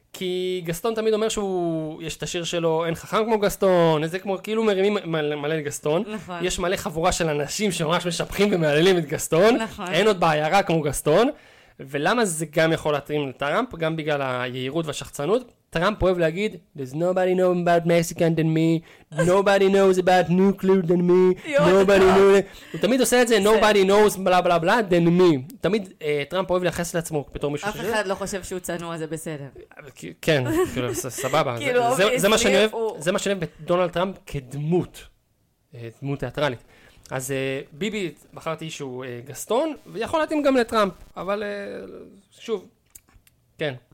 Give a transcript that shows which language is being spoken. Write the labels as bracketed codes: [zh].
[he] כי גסטון תמיד אומר שהוא, יש את השיר שלו, אין חכם כמו גסטון, איזה כמו, כאילו מרימים מלא את גסטון. נכון. יש מלא חבורה של אנשים שממש משפחים ומעללים את גסטון. נכון. אין עוד בעיירה כמו גסטון. ולמה זה גם יכול להתאים לטראמפ, גם בגלל היהירות והשחצנות? טראמפ אוהב להגיד, [en] There's nobody know about Mexican than me, nobody knows about nuclear than me, nobody knows... [he] הוא תמיד עושה את זה, [en] nobody knows, [he] בלה בלה בלה, [en] than me. [he] תמיד טראמפ אוהב לייחס לעצמו בתור מישהו שזה. אף אחד לא חושב שהוא צנוע, זה בסדר. כן, כאילו, סבבה. זה מה שאני אוהב בדונלד טראמפ כדמות, דמות תיאטרלית. אז ביבי בחרתי שהוא גסטון, ויכול להתאים גם לטראמפ, אבל שוב, כן.